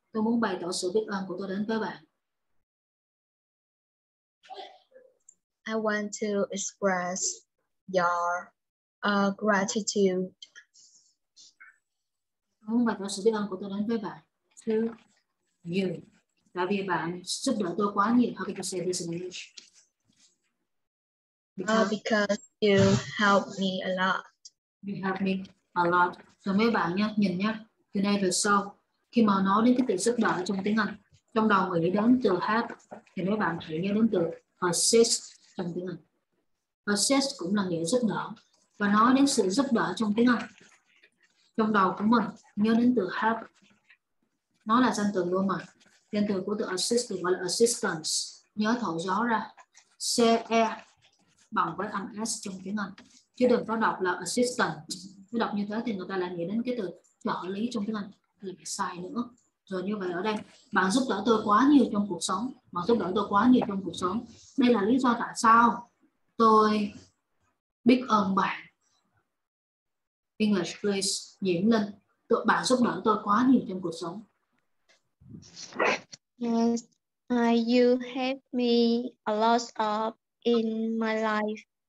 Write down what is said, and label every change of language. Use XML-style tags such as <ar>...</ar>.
<vi>Tôi muốn bày tỏ sự biết ơn của tôi đến với bạn.</vi> <en>I want to express your gratitude.</en> <vi>Tôi muốn bày tỏ sự biết ơn của tôi đến với bạn.</vi> <en>To you.</en> <vi>Tại vì bạn giúp đỡ tôi quá nhiều.</vi> <en>How can you say this in English? Because you help me a lot. You help me a lot.</en> <vi>Rồi mấy bạn nhá, nhìn nhá. Từ nay về sau, khi mà nói đến cái từ giúp đỡ trong tiếng Anh, trong đầu người nghĩ đến từ help, thì mấy bạn hãy nhớ đến từ assist trong tiếng Anh. Assist cũng là nghĩa giúp đỡ. Và nói đến sự giúp đỡ trong tiếng Anh, trong đầu của mình nhớ đến từ help. Nó là danh từ luôn mà. Danh từ của từ assist gọi là assistance. Nhớ thổi gió ra. C-E bằng với âm S trong tiếng Anh. Chứ đừng có đọc là assistant. Nếu đọc như thế thì người ta lại nghĩ đến cái từ trợ lý trong tiếng Anh. Thì lại sai nữa. Rồi như vậy ở đây, bạn giúp đỡ tôi quá nhiều trong cuộc sống. Bạn giúp đỡ tôi quá nhiều trong cuộc sống. Đây là lý do tại sao tôi biết ơn bạn.</vi> <en>English please, Diễm Linh.</en> <vi>Bạn giúp đỡ tôi quá nhiều trong cuộc sống.</vi> <en>Yes, you help me a lot of in my life.</en>